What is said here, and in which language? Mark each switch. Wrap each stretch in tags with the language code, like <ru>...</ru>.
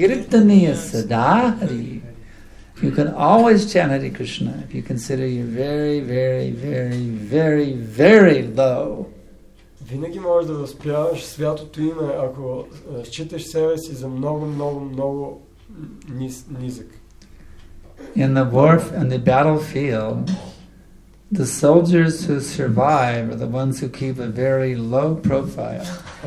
<en>You can always chant Hare Krishna if you consider you're very, very, very, very, very low.</en> <bg>Винаги можеш да възпяваш святото име, ако считаш себе си за много, много, много низък.</bg> <en>In the war and the battlefield, the soldiers who survive are the ones who keep a very low profile.</en>